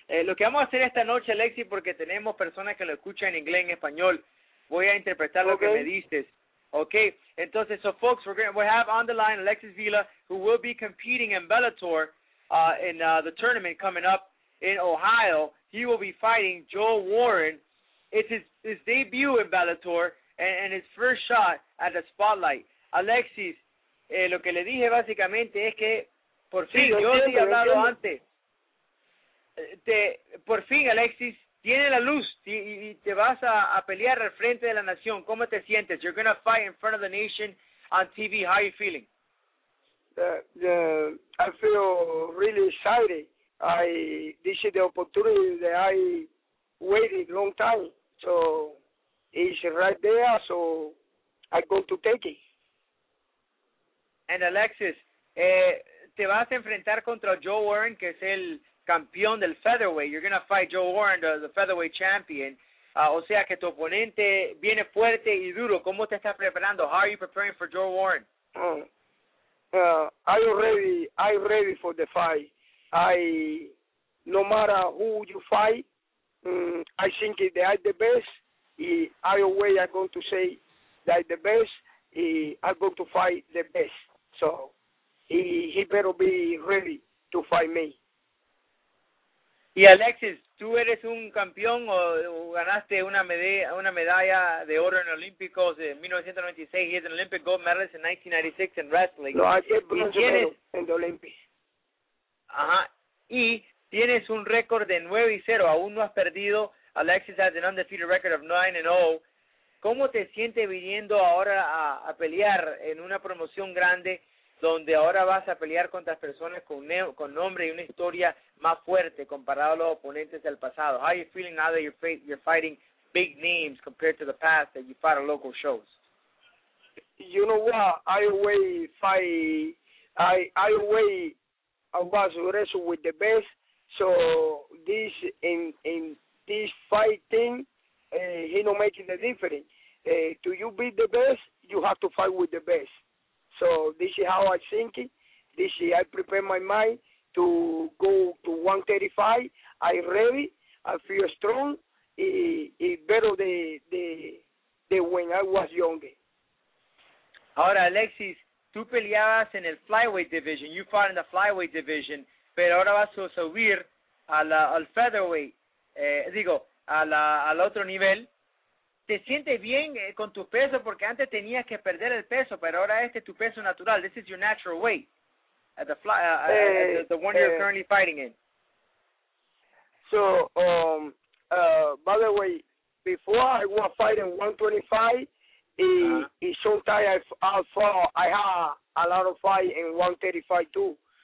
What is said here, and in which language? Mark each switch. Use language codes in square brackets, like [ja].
[es] Lo que vamos a hacer esta noche, Alexis, porque tenemos personas que lo escuchan en inglés y en español, voy a interpretar lo que me dices. [en] Okay, entonces, so folks, we have on the line Alexis Vila, who will be competing in Bellator in the tournament coming up in Ohio. He will be fighting Joel Warren. It's his debut in Bellator and his first shot at the spotlight. [es] Alexis, lo que le dije básicamente es que por fin, sí, yo te he hablado antes. Por fin, Alexis, tiene la luz y te vas a pelear al frente de la nación. ¿Cómo te sientes? [en] You're going to fight in front of the nation on TV. How are you feeling? I feel really excited. This is the opportunity that I waited long time. So it's right there, so I'm going to take it. [es] And Alexis, te vas a enfrentar contra Joe Warren, que es el campeón del featherweight. [en] You're going to fight Joe Warren, the featherweight champion. [es] O sea que tu oponente viene fuerte y duro. ¿Cómo te estás preparando? [en] How are you preparing for Joe Warren? I'm ready for the fight. No matter who you fight, I think they are the best. Either way, I'm going to say they are the best. I'm going to fight the best. So he better be ready to fight me. [es] Y Alexis, tú eres un campeón o ganaste una medalla de oro en Olímpicos en 1996. [en] He is an Olympic gold medalist in 1996 in wrestling. No, I get bronze medal in the Olympics. [es] Ajá. Y tienes un récord de 9-0. Aún no has perdido. [en] Alexis has an undefeated record of 9-0. [es] ¿Cómo te sientes viniendo ahora a pelear en una promoción grande, donde ahora vas a pelear contra personas con nombre y una historia más fuerte comparado a los oponentes del pasado? [en] How are you feeling now that you're fighting big names compared to the past that you fought at local shows? You know what? I was wrestling with the best. So this in this fighting, he no making the difference. To you be the best, you have to fight with the best. So this is how I think. This is I prepare my mind to go to 135. I ready. I feel strong. It better than when I was younger. [es] Ahora, Alexis, tú peleabas en el flyweight division. [en] You fought in the flyweight division, [es] pero ahora vas a subir al featherweight. Al otro nivel. ¿Te sientes bien con tu peso? Porque antes tenías que perder el peso, pero ahora este es tu peso natural. [en] This is your natural weight at the fly, the one you're currently fighting in. So, by the way, before I was fighting 125, sometimes I had a lot of fight in 135 too.